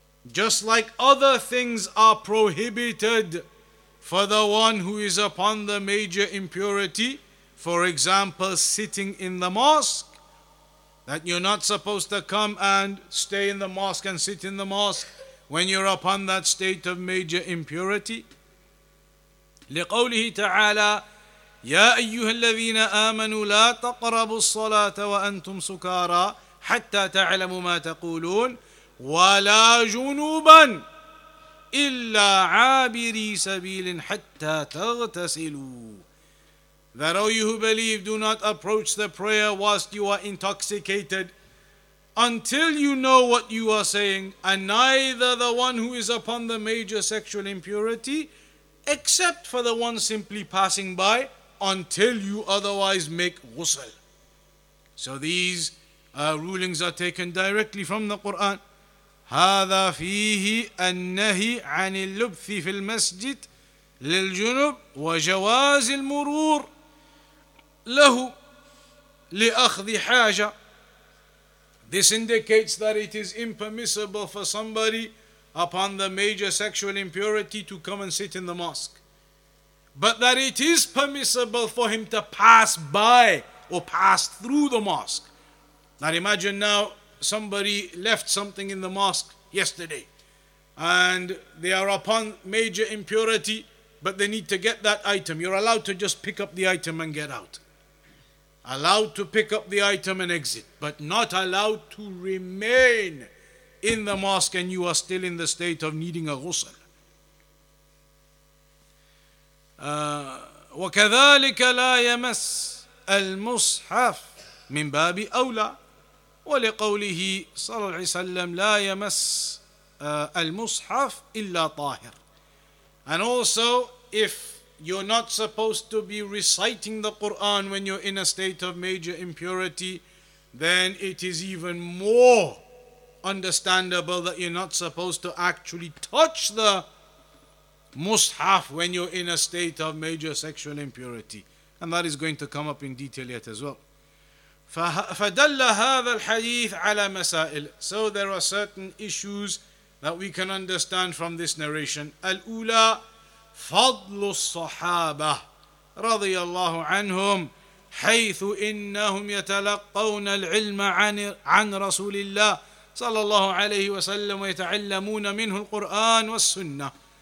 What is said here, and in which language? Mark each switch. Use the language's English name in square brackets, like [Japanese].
[English] Just like other things are prohibited for the one who is upon the major impurity, for example, sitting in the mosque, that you're not supposed to come and stay in the mosque and sit in the mosque when you're upon that state of major impurity. [Arabic] لقوله تعالى يا أيها الذين آمنوا لا تقربوا الصلاة وأنتم سكارى حتى تعلموا ما تقولون ولا جنوبا إلا عابري سبيل حتى تغتسلوا. [English] That all you who believe, do not approach the prayer whilst you are intoxicated until you know what you are saying, and neither the one who is upon the major sexual impurity, except for the one simply passing by, until you otherwise make ghusl. So these rulings are taken directly from the Quran. [Arabic] هذا فيه النهي عن اللبث في المسجد للجنوب وجواز المرور له لأخذ حاجة. [English] This indicates that it is impermissible for somebody upon the major sexual impurity to come and sit in the mosque, but that it is permissible for him to pass by or pass through the mosque. Now imagine now, somebody left something in the mosque yesterday and they are upon major impurity, but they need to get that item. You're allowed to just pick up the item and get out. Allowed to pick up the item and exit, but not allowed to remain in the mosque, and you are still in the state of needing a ghusl. [Arabic] وكذلك لا يمس المصحف من باب أولى ولقوله صلى الله عليه وسلم لا يمس المصحف إلا طاهر. [English] And also, if you're not supposed to be reciting the Quran when you're in a state of major impurity, then it is even more understandable that you're not supposed to actually touch the mushaf when you're in a state of major sexual impurity. And that is going to come up in detail yet as well. [Arabic] فدل هذا الحديث على مسائل. [English] So there are certain issues that we can understand from this narration. [Arabic] الأولى فضل الصحابة رضي الله عنهم حيث إنهم يتلقون العلم عن رسول الله صلى الله عليه وسلم ويتعلمون منه القرآن والسنة.